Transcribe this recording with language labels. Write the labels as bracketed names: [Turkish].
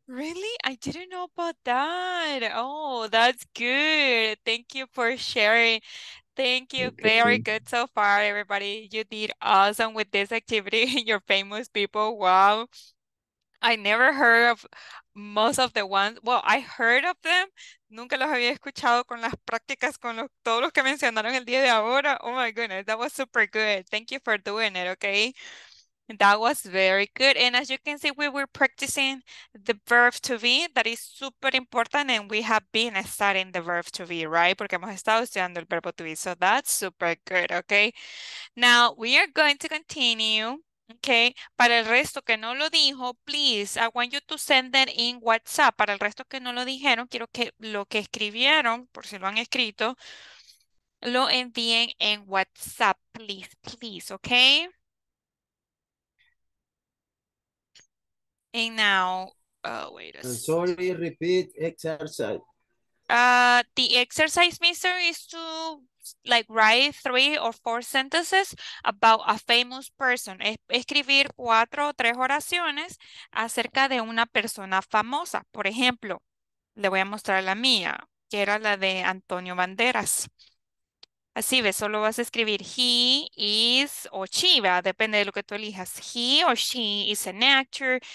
[English] Really? I didn't know about that. Oh, that's good. Thank you for sharing. Thank you. Okay. Very good so far, everybody. You did awesome with this activity. Your famous people. Wow. I never heard of most of the ones. Well, I heard of them. [Spanish] Nunca los había escuchado con las prácticas, con los, todos los que mencionaron el día de ahora. [English] Oh my goodness. That was super good. Thank you for doing it, okay? That was very good. And as you can see, we were practicing the verb to be. That is super important. And we have been studying the verb to be, right? [Spanish] Porque hemos estado estudiando el verbo to be. [English] So that's super good, okay? Now, we are going to continue. Okay, [Spanish] para el resto que no lo dijo, [English] please, I want you to send that in WhatsApp. [Spanish] Para el resto que no lo dijeron, quiero que lo que escribieron, por si lo han escrito, lo envíen en WhatsApp, [English] please, please, [Spanish] okay? [English] And now, oh, wait a second. Sorry, repeat exercise. The exercise, mister, is to like write 3 or 4 sentences about a famous person. [Spanish] Escribir 4 o 3 oraciones acerca de una persona famosa. Por ejemplo, le voy a mostrar la mía, que era la de Antonio Banderas. Así ves, solo vas a escribir [English] he is [Spanish] o she, ¿verdad? Depende de lo que tú elijas. [English] He or she is an actor.